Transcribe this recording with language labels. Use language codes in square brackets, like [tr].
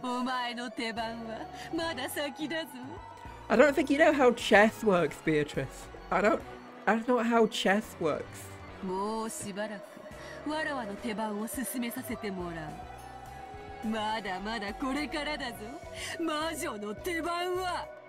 [ja] お前の手番はまだ先だぞ。 [en] I don't think you know how chess works, Beatrice. That's not how chess works. [ja] もうしばらくわらわの手番を進めさせてもらう。まだまだこれからだぞ、魔女の手番は。